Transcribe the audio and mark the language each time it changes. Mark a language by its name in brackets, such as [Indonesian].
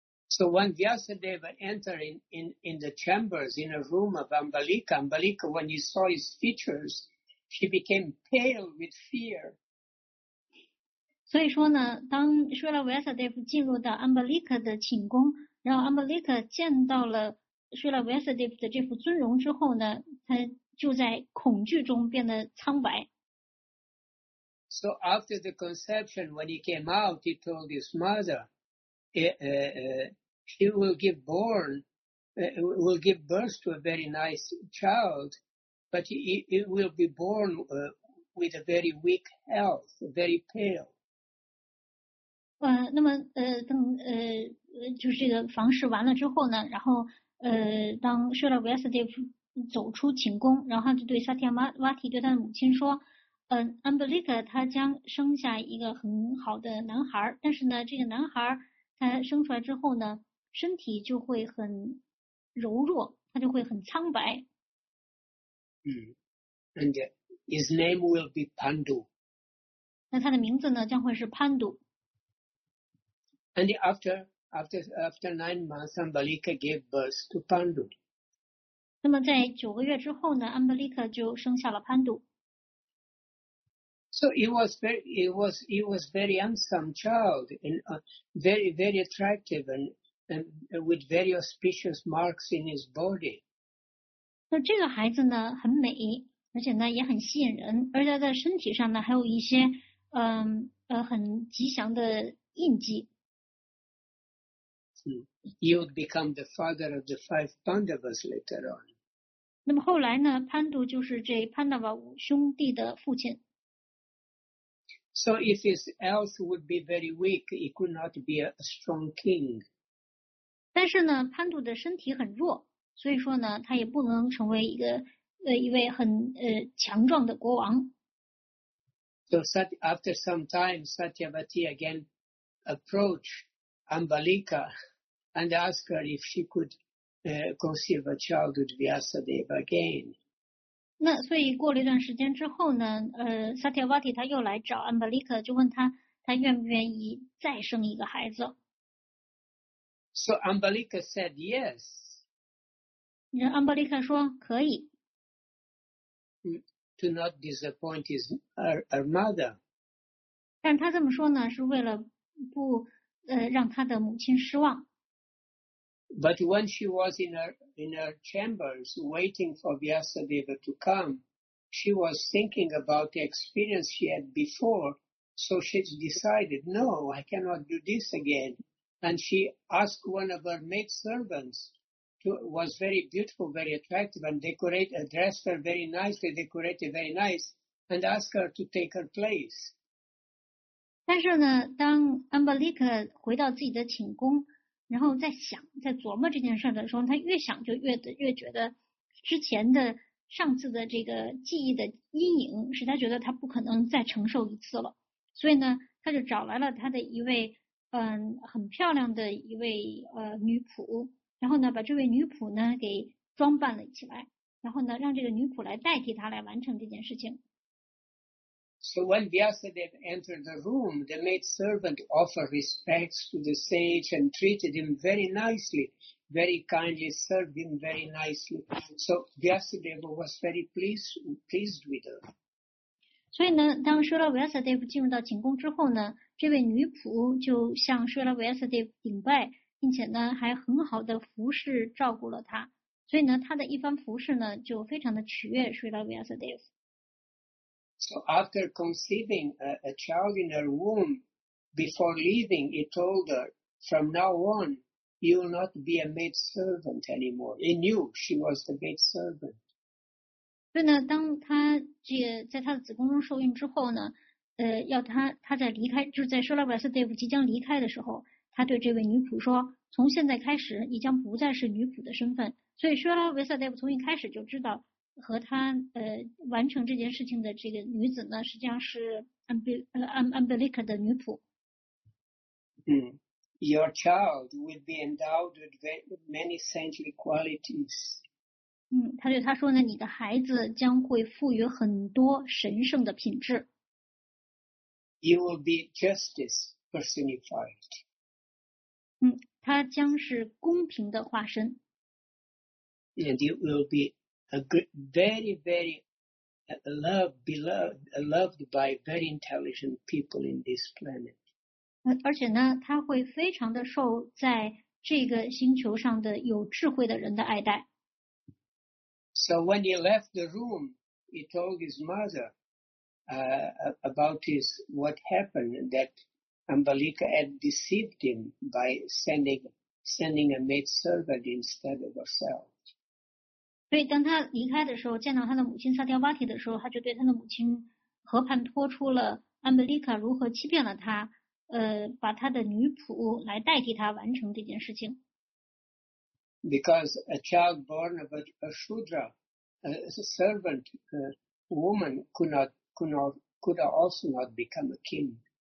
[English] So when Vyasadeva entered in the chambers in a room of Ambalika, when he saw his features, she became pale with fear. [Chinese] 所以说呢当舍拉维亚萨德夫进入到 Ambalika 的寝宫，然后 Ambalika 见到了 Srila Vyasadeva 的这副尊容之后呢，他就在恐惧中变得苍白。 [English] So after the conception, when he came out, he told his mother, "She will give birth to a very nice child, but it will be born with a very weak health, very pale." [Chinese] 就是这个房事完了之后呢，然后当舍拉维亚萨德夫走出寝宫，然后他就对萨提亚瓦提对他的母亲说，Ambalika 他将生下一个很好的男孩，但是呢这个男孩他生出来之后呢身体就会很柔弱，他就会很苍白。 [English] And his name will be Pandu. [Chinese] 那他的名字呢将会是 Pandu. [English] And after 9 months, Ambalika gave birth to Pandu. [Chinese] 那么在九个月之后呢 ，Ambalika 就生下了 Pandu. [English] So he was very handsome child and very very attractive and with very auspicious marks in his body. [Chinese] 那这个孩子呢很美，而且呢也很吸引人，而且在身体上呢还有一些很吉祥的印记。 [English] He would become the father of the 5 Pandavas later on. [Chinese] 那么后来呢 ，Pandu 就是这 Pandava 五兄弟的父亲。 [English] So if his health would be very weak, he could not be a strong king. [Chinese] 但是呢 ，Pandu 的身体很弱，所以说呢，他也不能成为一位很强壮的国王。 [English] So after some time, Satyavati again approached Ambalika and ask her if she could conceive a child with Vyasadeva again. [Chinese] 那所以过了一段时间之后呢，Satyavati 他又来找 Ambalika， 就问他愿不愿意再生一个孩子。 [English] So Ambalika said yes. [Chinese] 那 Ambalika 说可以。 [English] To not disappoint her mother. [Chinese] 但他这么说呢，是为了不。让他的母亲失望。 [English] But when she was in her chambers waiting for Vyasadeva to come, she was thinking about the experience she had before. So she decided, no, I cannot do this again. And she asked one of her maid servants, who was very beautiful, very attractive, and dressed her very nicely, decorated very nice, and asked her to take her place. [Chinese] 但是呢当 Ambalika 回到自己的寝宫，然后在琢磨这件事的时候，他越想就越觉得之前的上次的这个记忆的阴影使他觉得他不可能再承受一次了。所以呢他就找来了他的一位很漂亮的一位女仆，然后呢把这位女仆呢给装扮了起来，然后呢让这个女仆来代替他来完成这件事情。 [English] So when Vyasadev entered the room, the maidservant offered respects to the sage and treated him very nicely, very kindly, served him very nicely. So Vyasadev was very pleased with her. [Chinese] 所以呢，当舍拉维亚萨德夫进入到寝宫之后呢，这位女仆就向舍拉维亚萨德夫顶拜，并且呢还很好的服侍照顾了她。所以呢，她的一番服侍呢就非常的取悦舍拉维亚萨德夫。 [English] So after conceiving a child in her womb, before leaving, he told her, "From now on, you will not be a maid servant anymore." He knew she was the maid servant. [Chinese] 所以呢，当他在他的子宫中受孕之后呢，要他在离开，就是在舍拉维亚萨德夫即将离开的时候，他对这位女仆说：“从现在开始，你将不再是女仆的身份。” 所以舍拉维亚萨德夫从一开始就知道和他完成这件事情的这个女子呢，实际上是安贝利克的女仆。 [English] Your child will be endowed with many saintly qualities. [Chinese] 他对他说呢，你的孩子将会赋予很多神圣的品质。 [English] You will be justice personified. [Chinese] 他将是公平的化身。 [English] And you will be a very, very loved by very intelligent people in this planet. [Chinese] 而且呢，他会非常的受在这个星球上的有智慧的人的爱戴。 [English] So when he left the room, he told his mother about what happened, that Ambalika had deceived him by sending a maidservant instead of herself. [Chinese] 所以当他离开的时候，见到他的母亲萨迪巴提的时候，他就对他的母亲和盘托出了Ambalika如何欺骗了他，把他的女仆来代替他完成这件事情。 [English] Because a child born of a Shudra, a servant, a woman, could also not become a king.